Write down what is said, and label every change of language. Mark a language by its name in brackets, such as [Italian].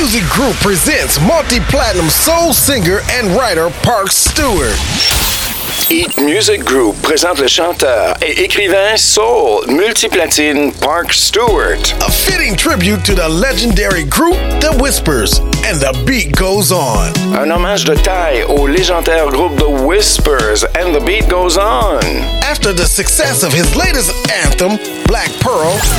[English] Group presents multi-platinum soul singer and writer Park Stewart. [French] Eat Music Group présente le chanteur et écrivain soul multi-platine Park Stewart. [English] A fitting tribute to the legendary group The Whispers. And the beat goes on. [French] Un hommage de taille au légendaire groupe The Whispers. [English] And the beat goes on. After the success of his latest anthem, Black Pearl.